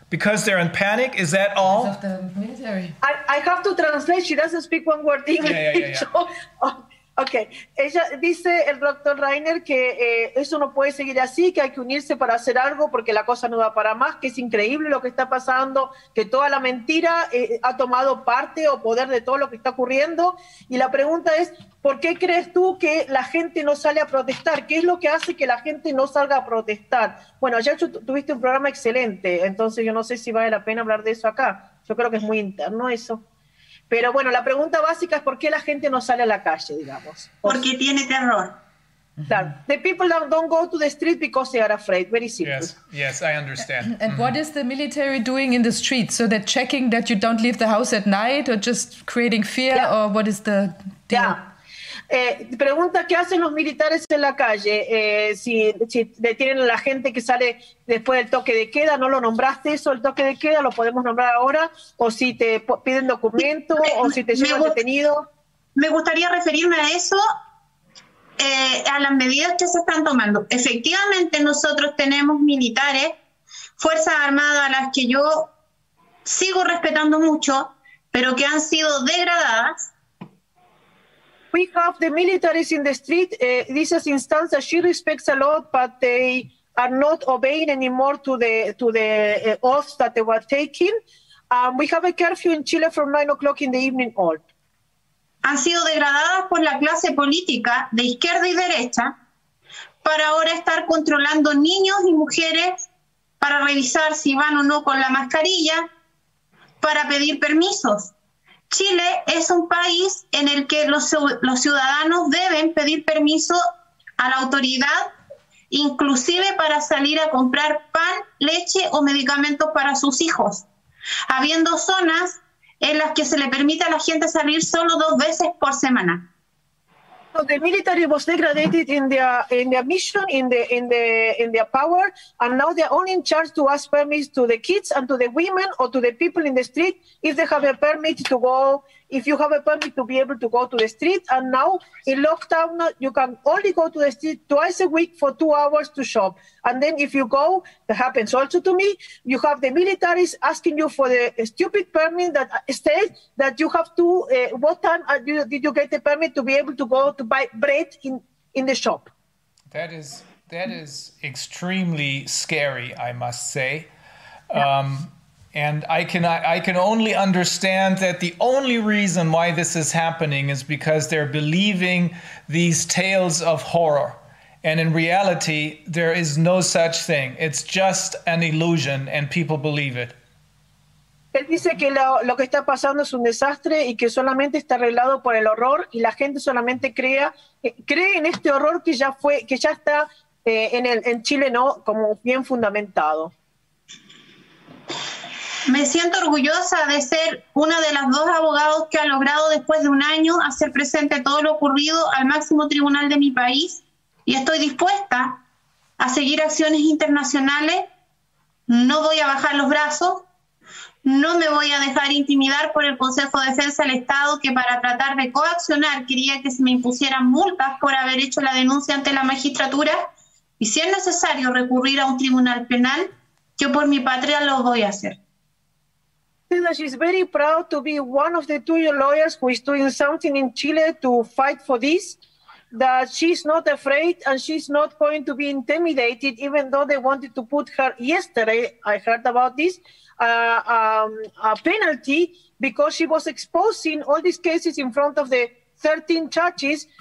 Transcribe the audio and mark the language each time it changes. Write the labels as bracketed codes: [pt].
[en] Because they're in panic, is that all? Of the military. I have to translate, she doesn't speak one word English. Yeah. [es] Okay, ella dice el doctor Reiner que eso no puede seguir así, que hay que unirse para hacer algo porque la cosa no va para más, que es increíble lo que está pasando, que toda la mentira ha tomado parte o poder de todo lo que está ocurriendo. Y la pregunta es, ¿por qué crees tú que la gente no sale a protestar? ¿Qué es lo que hace que la gente no salga a protestar? Bueno, ayer tuviste un programa excelente, entonces yo no sé si vale la pena hablar de eso acá. Yo creo que es muy interno eso. Pero bueno, la pregunta básica es por qué la gente no sale a la calle, digamos. Porque tiene terror. [en] The people don't go to the street because they are afraid. Very simple. Yes, I understand. And what is the military doing in the streets? So they're checking that you don't leave the house at night or just creating fear? Yeah. Or what is the deal? Yeah. [es] Pregunta, ¿qué hacen los militares en la calle? Si detienen a la gente que sale después del toque de queda, ¿no lo nombraste eso, el toque de queda? ¿Lo podemos nombrar ahora? ¿O si te piden documento o si te llevan detenido? Me gustaría referirme a eso, a las medidas que se están tomando. Efectivamente, nosotros tenemos militares, Fuerzas Armadas, a las que yo sigo respetando mucho, pero que han sido degradadas. [en] We have the militaries in the street. These are instances she respects a lot, but they are not obeying anymore to the oaths that they were taking. We have a curfew in Chile from 9 o'clock in the evening on. [es] Han sido degradadas por la clase política de izquierda y derecha para ahora estar controlando niños y mujeres para revisar si van o no con la mascarilla para pedir permisos. Chile es un país en el que los ciudadanos deben pedir permiso a la autoridad inclusive para salir a comprar pan, leche o medicamentos para sus hijos, habiendo zonas en las que se le permite a la gente salir solo dos veces por semana. [en] So the military was degraded in their mission, in their power, and now they're only in charge to ask permits to the kids and to the women or to the people in the street if they have a permit to go, if you have a permit to be able to go to the street. And now in lockdown, you can only go to the street twice a week for 2 hours to shop. And then if you go, that happens also to me, you have the militaries asking you for the stupid permit that says that you have to, what time did you get the permit to be able to go to buy bread in the shop? That is extremely scary, I must say. Yeah. And I can only understand that the only reason why this is happening is because they're believing these tales of horror. And in reality, there is no such thing. It's just an illusion and people believe it. [es] Él dice que lo que está pasando es un desastre y que solamente está arreglado por el horror y la gente solamente cree en este horror que ya está en Chile, ¿no?, como bien fundamentado. Me siento orgullosa de ser una de las dos abogados que ha logrado después de un año hacer presente todo lo ocurrido al máximo tribunal de mi país y estoy dispuesta a seguir acciones internacionales. No voy a bajar los brazos, no me voy a dejar intimidar por el Consejo de Defensa del Estado, que para tratar de coaccionar quería que se me impusieran multas por haber hecho la denuncia ante la magistratura y si es necesario recurrir a un tribunal penal, yo por mi patria lo voy a hacer. [en] That she's very proud to be one of the two lawyers who is doing something in Chile to fight for this, that she's not afraid and she's not going to be intimidated, even though they wanted to put her yesterday, I heard about this, a penalty because she was exposing all these cases in front of the 13 judges.